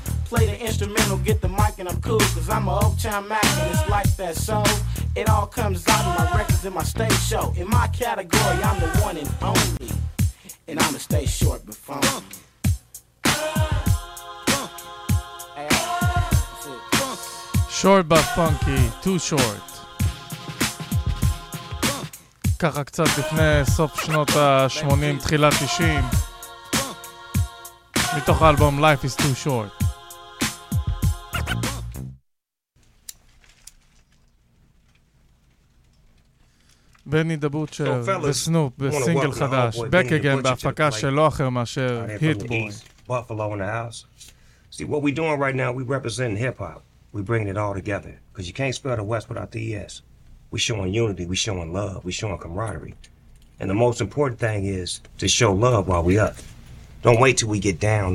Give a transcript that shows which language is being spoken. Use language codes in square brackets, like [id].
[en] Play the instrumental, get the mic and I'm cool. Cause I'm a Uptown Mac and it's like that, so it all comes out of my records and my stage show. In my category, I'm the one and only. And I'ma stay short but funky. Funky. Funky. Hey, funky. Short but funky, too short. [he] ככה קצת לפני סוף שנות ה-80, תחילת 90, מתוך האלבום Life is Too Short. בני דבוצ'ר וסנופ בסינגל חדש, Back Again, בהפקה שלא אחר מאשר Hit [en] Boy. What we doing right now, we representing hip-hop. We bringing it all together. Because you can't spell the West without the ES. We showing unity, we showing love, we showing camaraderie. And the most important thing is to show love while we up. Don't wait till we get down.